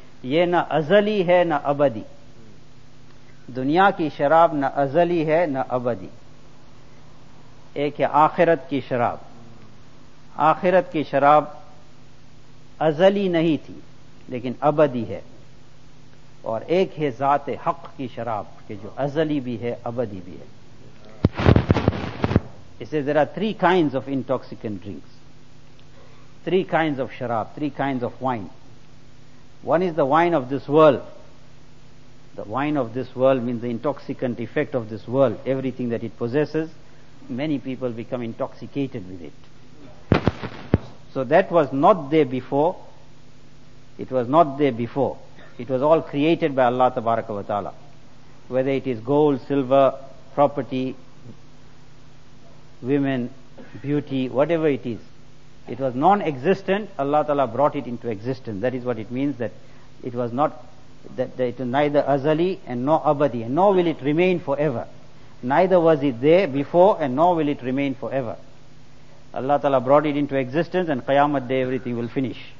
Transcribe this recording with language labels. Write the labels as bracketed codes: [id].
[ur] یہ نہ ازلی ہے نہ ابدی، دنیا کی شراب نہ ازلی ہے نہ ابدی، ایک ہے آخرت کی شراب، آخرت کی شراب ازلی نہیں تھی لیکن ابدی ہے، اور ایک ہے ذات حق کی شراب کہ جو ازلی بھی ہے ابدی بھی ہے. [en] اسے ذرا three kinds of intoxicant drinks, three kinds of شراب، three kinds of wine. One is the wine of this world, the wine of this world means the intoxicant effect of this world, everything that it possesses, many people become intoxicated with it. So that was not there before, it was not there before, it was all created by اللہ تبارک و تعالی، whether it is gold, silver, property, women, beauty, whatever it is. It was non-existent, Allah Ta'ala brought it into existence. That is what it means, that it was not, that it was neither azali and nor abadi, and nor will it remain forever. Neither was it there before and nor will it remain forever. Allah Ta'ala brought it into existence and Qiyamah Day everything will finish.